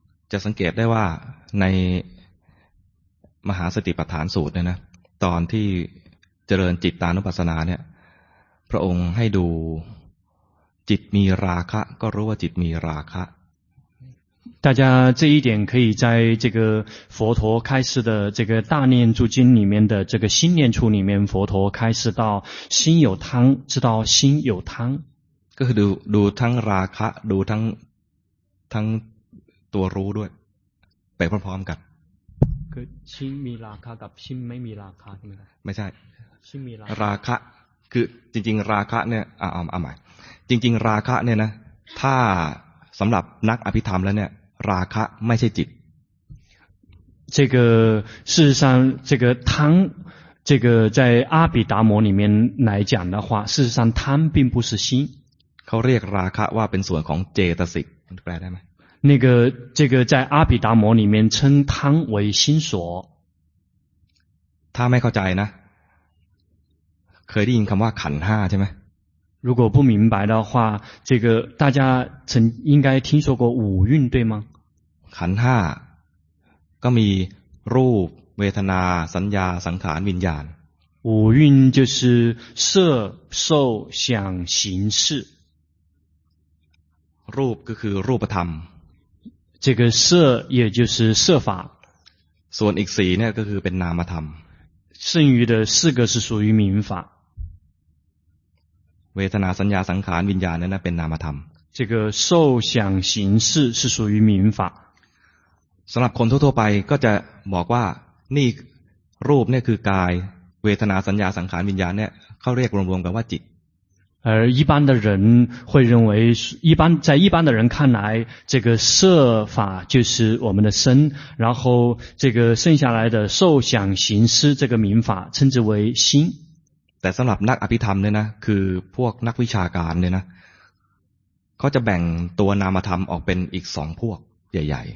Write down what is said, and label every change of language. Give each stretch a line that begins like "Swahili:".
Thai: จะสังเกตได้ว่าในมหาสติปัฏฐานสูตรเนี่ยนะตอนที่เจริญจิตตานุปัสสนาเนี่ยพระองค์ให้ดูจิตมีราคะก็รู้ว่าจิตมีราคะ
Chinese: 大家这一点可以在这个佛陀开示的这个大念住经里面的这个心念处里面佛陀开示到心有贪知道心有贪
Thai: ก็คือดูทั้งราคะดูทั้งตัวรู้ด้วยไปพร้อมๆกัน คือ心มี ราคะกับ心ไม่มี ราคะ ไม่ใช่心มี ราคะคือจริงๆราคะเนี่ยเอาใหม่จริงๆราคะเนี่ยนะถ้าสำหรับนักอภิธรรมแล้วเนี่ยราคะไม่ใช่จิต
Chinese: 这个事实上这个贪这个在阿毗达摩里面来讲的话事实上贪并不是心
Thai: เขาเรียกราคะว่าเป็นส่วนของเจตสิกแปลได้ไหม
Chinese: 那个这个在阿毗达摩里面称贪为心所
Thai: ถ้าไม่เข้าใจนะเคยได้ยินคำว่าขันห้าใช่ไหม
Chinese: 如果不明白的话这个大家曾应该听说过五蕴对吗
Thai: ขันห้าก็มีรูปเวทนาสัญญาสังขารวิญญาณ
Chinese: 五蕴就是色受想行识
Thai: รูปก็คือรูปธรรม
Chinese: 这个色也就是色法
Thai: ส่วนอีกสีเนี่ยก็คือเป็นนามธรรม
Chinese: 剩余的四个是属于名法
Thai: เวทนาสัญญาสังขารวิญญาณนั้นเป็นนามธรรม
Chinese: 这个受想行识是属于名法
Thai: สำหรับคนทั่วๆไปก็จะบอกว่านี่รูปเนี่ยคือกายเวทนาสัญญาสังขารวิญญาณเนี่ยเขาเรียกรวมๆกันว่าจิต
Chinese: 而一般的人会认为一般在一般的人看来这个色法就是我们的身然后这个剩下来的受想行识这个名法称之为心
Thai: แต่สำหรับนักอภิธรรมเนี่ยนะคือพวกนักวิชาการเนี่ยนะเขาจะแบ่งตัวนามธรรมออกเป็นอีกสองพวกใหญ่